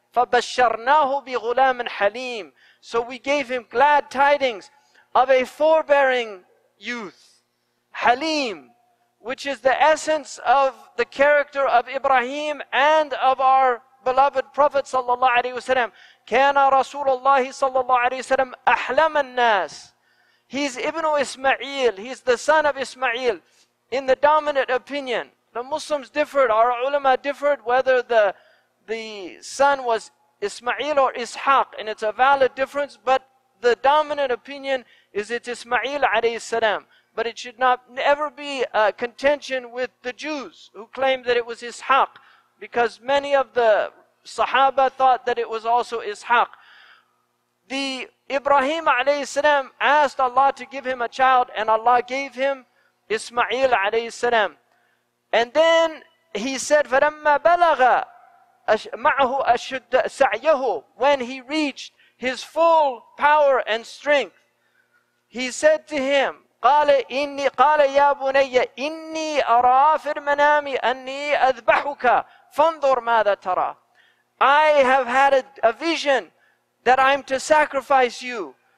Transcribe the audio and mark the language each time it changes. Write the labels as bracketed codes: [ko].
[ar] فَبَشَّرْنَاهُ بِغُلَامٍ حَلِيمٍ. [en] So we gave him glad tidings of a forbearing youth. Halim, which is the essence of the character of Ibrahim and of our beloved Prophet sallallahu alayhi wa sallam. [ar] كَانَ رَسُولَ اللَّهِ [en] sallallahu alayhi wa sallam [ar] أَحْلَمَ النَّاسِ. [en] He's Ibn Ismail, he's the son of Ismail. In the dominant opinion, the Muslims differed, our ulama differed whether the son was Ismail or Ishaq, and it's a valid difference, but the dominant opinion is it's Ismail alayhi salam. But it should not ever be a contention with the Jews who claim that it was Ishaq, because many of the Sahaba thought that it was also Ishaq. The Ibrahim alayhi salam asked Allah to give him a child, and Allah gave him Ismail alayhi salam. And then he said, [ar] فَلَمَّا بَلَغَ مَعْهُ أَشُدَّ سَعْيَهُ. [en] When he reached his full power and strength, he said to him, [ar] قَالَ يَا بُنَيَّ إِنِّي أَرَى فِي الْمَنَامِ أَنِّي أَذْبَحُكَ فَانْظُرْ مَاذَا تَرَى. [en] I have had a vision that I'm to sacrifice you.